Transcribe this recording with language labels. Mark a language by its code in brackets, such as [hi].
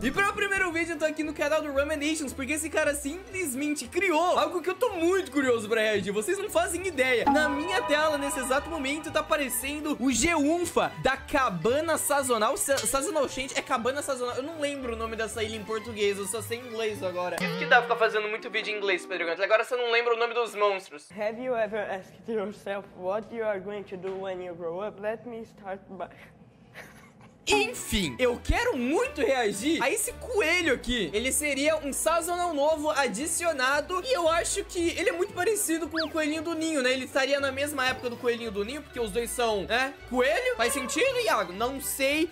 [pt] E pra o primeiro vídeo, eu tô aqui no canal do Ruminations, porque esse cara simplesmente criou algo que eu tô muito curioso pra reagir. Vocês não fazem ideia. Na minha tela, nesse exato momento, tá aparecendo o Geunfa da Cabana Sazonal. Sazonal Change é Cabana Sazonal. Eu não lembro o nome dessa ilha em português. Eu só sei inglês agora. Que dá ficar fazendo muito vídeo em inglês, Pedro Gantz. Agora você não lembra o nome dos monstros. [en] Have you ever asked yourself what you are going to do when you grow up? Let me start by... [pt] Enfim, eu quero muito reagir a esse coelho aqui. Ele seria um sazonal novo adicionado. E eu acho que ele é muito parecido com o coelhinho do ninho, né? Ele estaria na mesma época do coelhinho do ninho, porque os dois são, né? Coelho? Faz sentido, Iago? Não sei.